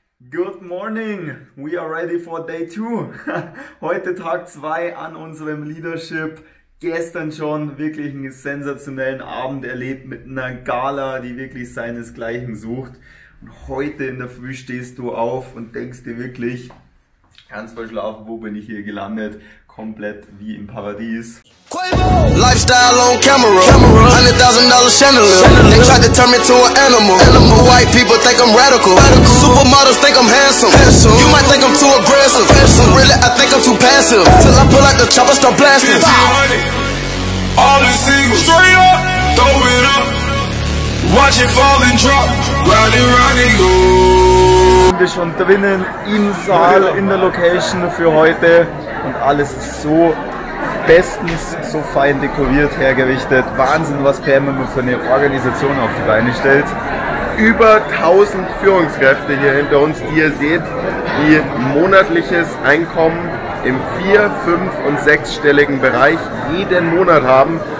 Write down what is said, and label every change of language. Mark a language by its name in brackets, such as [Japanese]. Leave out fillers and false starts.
[English] Good morning, we are ready for day 2. [German] Heute Tag 2 an unserem Leadership. Gestern schon wirklich einen sensationellen Abend erlebt mit einer Gala, die wirklich seinesgleichen sucht. Und heute in der Früh stehst du auf und denkst dir wirklich, ganz verschlafen, wo bin ich hier gelandet? Komplett wie im Paradies. [English] Lifestyle on camera, $100,000 chandelier. They tried to turn me to an animal. White people think I'm radical. Supermodels think I'm handsome. You might think I'm too aggressive. Really, I think I'm too passive. Till I pull out the chopper, start blasting. All the singles, straight up, throw it up. Watch it fall and drop. Round and round it go. [German] Wir schon drinnen im Saal in der Location für heute und alles ist so bestens, so fein dekoriert, hergerichtet. Wahnsinn, was Permanent für eine Organisation auf die Beine stellt. Über 1000 Führungskräfte hier hinter uns, die ihr seht, die monatliches Einkommen im 4-, 5- und 6-stelligen Bereich jeden Monat haben.